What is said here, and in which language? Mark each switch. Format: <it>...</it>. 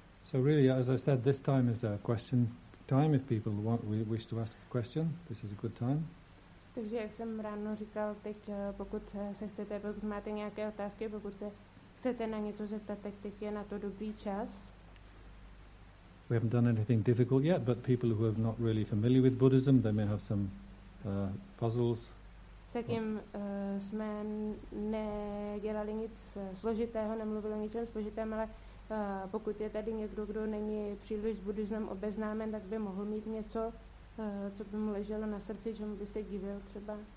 <en>So really, as I said, this time is a question time. If people wish to ask a question, this is a good time.</en> <cs>Takže jak jsem ráno říkal, teď pokud se chcete, pokud máte nějaké otázky, pokud se chcete na něco zeptat, tak teď je na to dobrý čas.</cs> <en>We haven't done anything difficult yet, but people who are not really familiar with Buddhism, they may have some puzzles.</en> <cs>Zatím jsme nedělali nic složitého, nemluvili o ničem složitém, ale pokud je tady někdo, kdo není příliš s buddhismem obeznámen, tak by mohl mít něco, co by mu leželo na srdci, čemu by se divil třeba.</cs>